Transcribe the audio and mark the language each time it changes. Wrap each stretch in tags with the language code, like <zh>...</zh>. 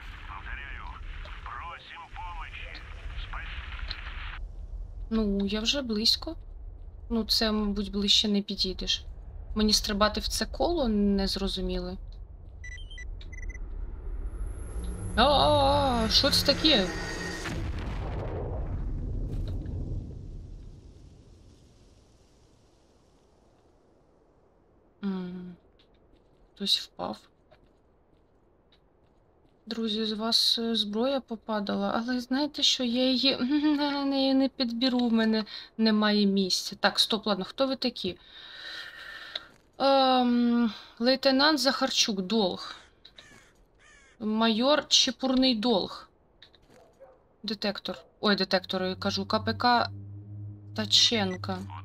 <ru>Повторяю, просим помощи.</ru> <uk>Ну, я вже близько. Ну, це, мабуть, ближче не підійдеш. Мені стрибати в це коло не зрозуміли. Що це таке? Хтось впав. Друзі, з вас зброя попадала, але знаєте що, я її не підберу, в мене немає місця. Так, стоп, ладно, хто ви такі? Лейтенант Захарчук, долг. Майор Чепурний, долг. Детектор. Ой, детектор, я кажу, КПК Таченка.</uk>